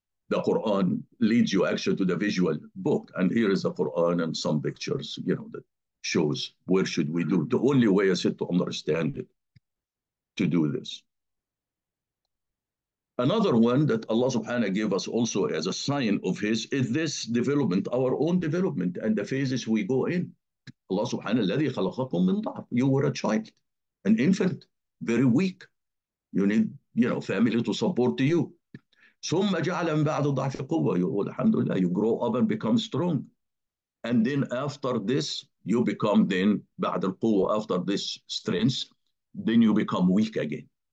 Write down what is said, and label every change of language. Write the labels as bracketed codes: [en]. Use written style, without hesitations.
[en] the Quran leads you actually to the visual book, and here is the Quran and some pictures, you know, that shows where should we do. The only way is to understand it, to do this. Another one that Allah subhanahu gave us also as a sign of His is this development, our own development, and the phases we go in. Allah subhanahu [ar] الذي خلقكم من ضعف. [en] You were a child, an infant, very weak. You need, you know, family to support you. [ar] ثم جعل من بعد ضعف قوة. الحمد لله, [en] you grow up and become strong. And then after this, you become then, [ar] بعد القوة, [en] after this strength, then you become weak again.